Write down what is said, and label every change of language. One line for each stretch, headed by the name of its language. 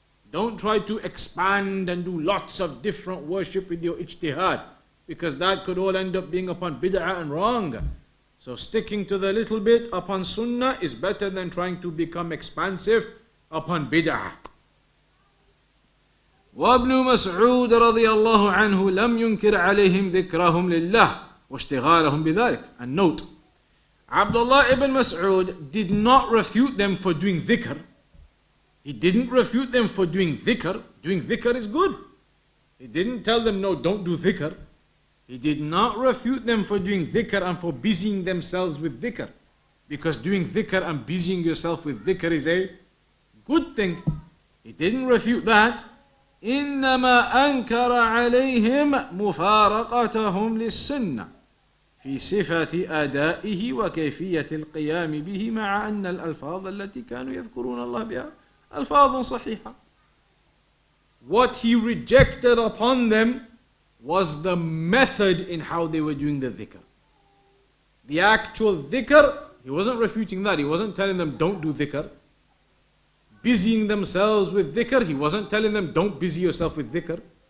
English: Don't try to expand and do lots of different worship with your ijtihad, because that could all end up being upon bid'ah and wrong. So sticking to the little bit upon sunnah is better than trying to become expansive upon bid'ah.
Arabic: وابن مسعود رضي الله عنه لم ينكر عليهم ذكرهم لله واشتغالهم بذلك.
English: And note, Abdullah ibn Mas'ud did not refute them for doing dhikr. He didn't refute them for doing dhikr. Doing dhikr is good. He didn't tell them, no, don't do dhikr. He did not refute them for doing dhikr and for busying themselves with dhikr. Because doing dhikr and busying yourself with dhikr is a good thing. He didn't refute that.
Arabic: إنما أنكر عليهم مفارقتهم للسنة في صفة أدائه وكيفية القيام به مع أن الألفاظ التي كانوا يذكرون الله بها ألفاظ صحيحة.
English: What he rejected upon them was the method in how they were doing the dhikr. The actual dhikr, he wasn't refuting that. He wasn't telling them don't do dhikr. Busying themselves with dhikr, he wasn't telling them don't busy yourself with dhikr.